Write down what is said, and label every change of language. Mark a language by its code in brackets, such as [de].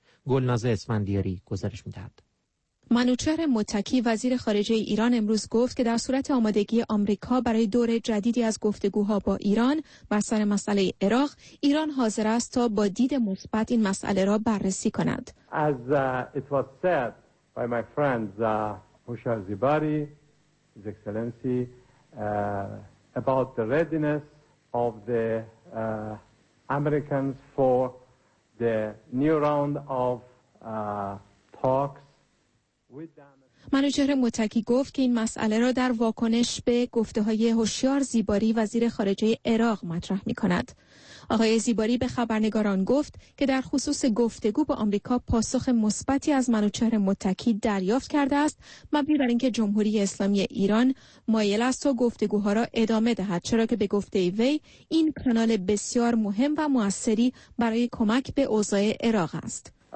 [fa] گلناز اسفندیاری گزارش می‌دهد. منوچهر متکی وزیر خارجه ایران امروز گفت که در صورت آمادگی آمریکا برای دور جدیدی از گفتگوها با ایران بر سر مسئله عراق، ایران حاضر است تا با دید مثبت این مسئله را بررسی کند. [en] As it was said by my friends Hushar Zibari, His Excellency, about the readiness of the Americans for the new round of talks with them. [fa] منوچهر متکی گفت که این مسئله را در واکنش به گفته‌های هوشیار زیباری وزیر خارجه عراق مطرح می‌کند. آقای زیباری به خبرنگاران گفت که در خصوص گفتگو با آمریکا پاسخ مثبتی از منوچهر متکی دریافت کرده است، مبنی بر اینکه جمهوری اسلامی ایران مایل است تا گفتگوها را ادامه دهد، چرا که به گفته وی این کانال بسیار مهم و موثری برای کمک به اوضاع عراق است.